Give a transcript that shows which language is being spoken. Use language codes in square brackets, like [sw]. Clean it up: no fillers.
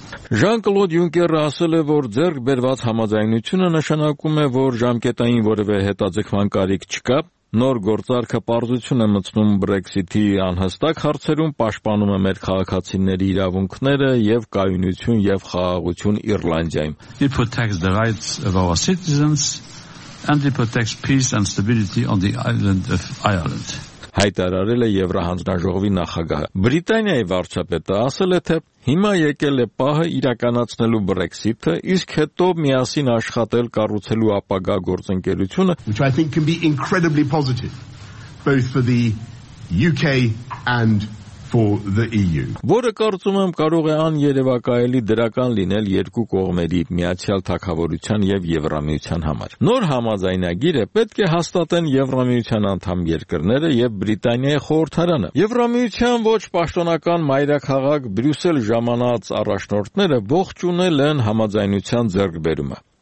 [hy] Ժան-Կլոդ Յունկերը ասել է, որ ձեռք բերված համաձայնությունը նշանակում է, որ ժամկետային որևէ հետաձգման կարիք չկա։ Նոր գործարքը պարզություն է մտցնում Բրեքսիթի անհստակ հարցերում, պաշտպանում է մեր քաղաքացիների իրավունքները և կայունություն և խաղաղություն Իռլանդիայում։ [en] It protects the rights of our citizens and it protects peace and stability on the island of Ireland. [hy] Հայտարարել է Եվրահանձնաժողովի նախագահը։ Բրիտանիայի վարչապետը ասել է, թե հիմա եկել է պահը իրականացնելու Բրեքսիթը, իսկ հետո միասին աշխատել կառուցելու ապագա գործընկերությունը, [en] which I think can be incredibly positive both for the UK and for the EU. [hy] Որը կարծում եմ կարող է աներևակայելի դրական լինել երկու կողմերի միացյալ թակավորության և Եվրամիության համար։ Նոր համաձայնագիրը պետք է հաստատեն Եվրամիության անդամ երկրները և Բրիտանիայի խորհրդարանը։ Եվրամիության ոչ պաշտոնական մայրաքաղաք Բրյուսել ժամանած առաջնորդները ողջունել են համաձայնության ձեռքբերումը։